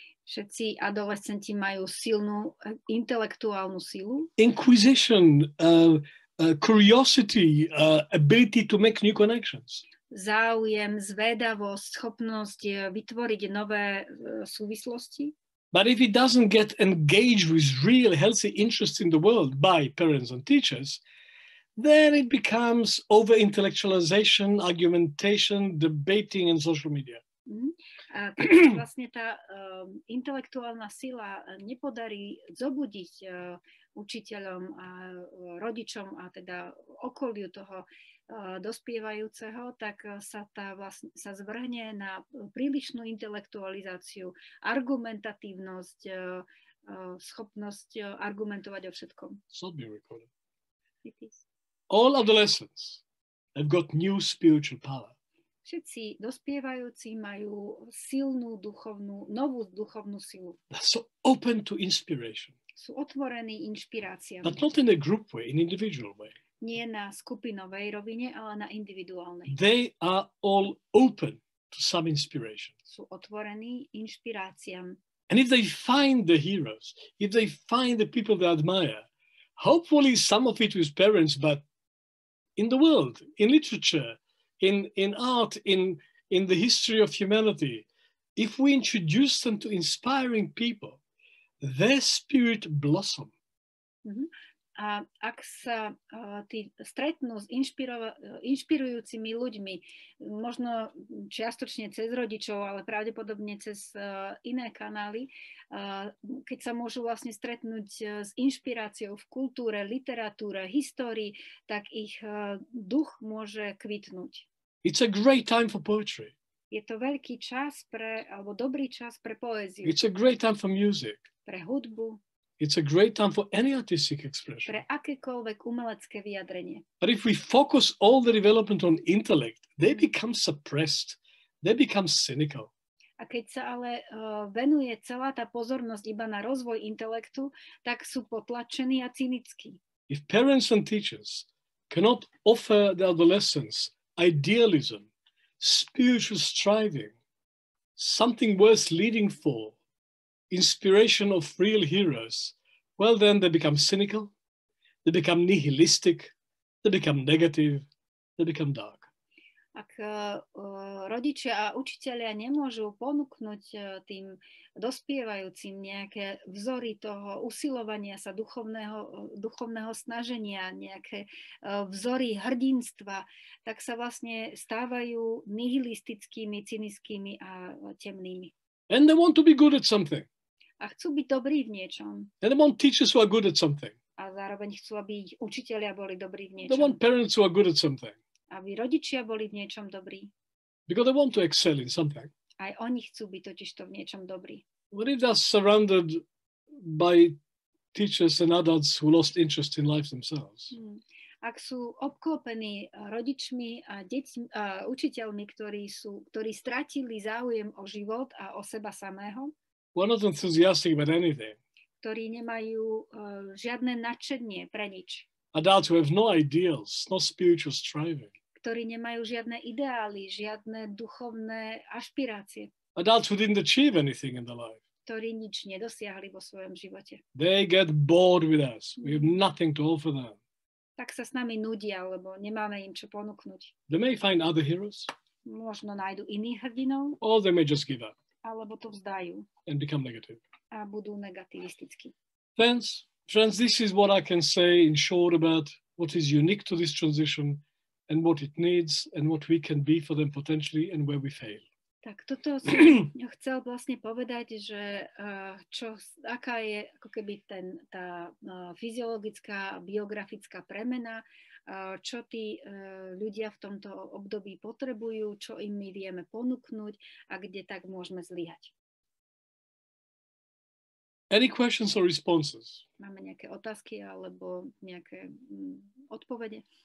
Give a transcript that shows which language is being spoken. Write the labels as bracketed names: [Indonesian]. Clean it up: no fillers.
[Slovak] Všetci adolescenti majú silnú intelektuálnu silu. [English] Inquisition, curiosity, ability to make new connections. [Slovak] Záujem, zvedavosť, schopnosť vytvoriť nové súvislosti. [English] But if it doesn't get engaged with real healthy interest in the world by parents and teachers, then it becomes over-intellectualization, argumentation, debating in social media. [Slovak] A keď vlastne tá intelektuálna sila nepodarí zobudiť učiteľom a rodičom a teda okoliu toho dospievajúceho, tak sa zvrhne na prílišnú intelektualizáciu, argumentatívnosť, schopnosť argumentovať o všetkom. [English] So be recorded. All adolescents have got new spiritual power. [Slovak] Všetci dospievajúci majú silnú duchovnú, novú duchovnú silu. [English] They're so open to inspiration. [Slovak] Sú otvorení inšpiráciám. [English] But not in a group way, in individual way. [Slovak] nie na skupinovej rovine, ale na individuálnej. [English] They are all open to some inspiration. [Slovak] Sú otvorení inšpiráciám. [English] And if they find the heroes, if they find the people they admire, hopefully some of it with parents, but in the world, in literature, in art, in the history of humanity, if we introduce them to inspiring people, their spirit blossom. [Slovak] A ak sa tí stretnú s inšpirujúcimi ľuďmi, možno čiastočne cez rodičov, ale pravdepodobne cez iné kanály, keď sa môžu vlastne stretnúť s inšpiráciou v kultúre, literatúre, histórii, tak ich duch môže kvitnúť. [English] It's a great time for poetry. [Slovak] Je to veľký čas pre, alebo dobrý čas pre poéziu. [English] It's a great time for music. [Slovak] Pre hudbu. [English] It's a great time for any artistic expression. [Slovak] Pre akékoľvek umelecké vyjadrenie. [English] But if we focus all the development on intellect, they become suppressed. They become cynical. [Slovak] A keď sa ale venuje celá tá pozornosť iba na rozvoj intelektu, tak sú potlačení a cynickí. [English] If parents and teachers cannot offer the adolescents idealism, spiritual striving, something worth leading for, inspiration of real heroes, well then they become cynical, they become nihilistic, they become negative, they become dark. [Slovak] Ak rodičia a učitelia nemôžu ponúknuť tým dospievajúcim nejaké vzory toho usilovania sa duchovného snaženia, nejaké vzory hrdinstva, tak sa vlastne stávajú nihilistickými, cynickými a temnými. [English] And they want to be good at something. [Slovak] A chcú byť dobrí v niečom. [English] And they want teachers who are good at something. [Slovak] A zároveň chcú, aby učitelia boli dobrí v niečom. [English] They want parents who are good at something. [Slovak] Aby rodičia boli v niečom dobrí. [English] Because they want to excel in something. [Slovak] Aj oni chcú byť totiž to v niečom dobrí. [English] What if they're surrounded by teachers and adults who lost interest in life themselves? [Slovak] Ak sú obklopení rodičmi a deťmi, učiteľmi, ktorí stratili záujem o život a o seba samého, [English] we're not enthusiastic about anything. [Slovak] Ktorí nemajú žiadne nadšenie pre nič. [English] Adults who have no ideals, no spiritual striving. [Slovak] Ktorí nemajú žiadne ideály, žiadne duchovné ašpirácie. [English] Adults who didn't achieve anything in their life. [Slovak] Ktorí nič nedosiahli vo svojom živote. [English] They get bored with us. We have nothing to offer them. [Slovak] Tak sa s nami nudia, lebo nemáme im čo ponúknuť. [English] They may find other heroes. [Slovak] Možno nájdu iných hrdinov. [English] Or they may just give up. [Slovak] Alebo to vzdajú. [English] And become negative. [Slovak] A budú negativistickí. [English] Friends, this is what I can say in short about what is unique to this transition and what it needs and what we can be for them potentially and where we fail. [Slovak] Tak toto som chcel vlastne povedať, že aká je ako keby tá fyziologická, biografická premena, čo tí ľudia v tomto období potrebujú, čo im my vieme ponúknuť a kde tak môžeme zlyhať. [English] Any questions or responses? [Slovak] Máme nejaké otázky alebo nejaké odpovede?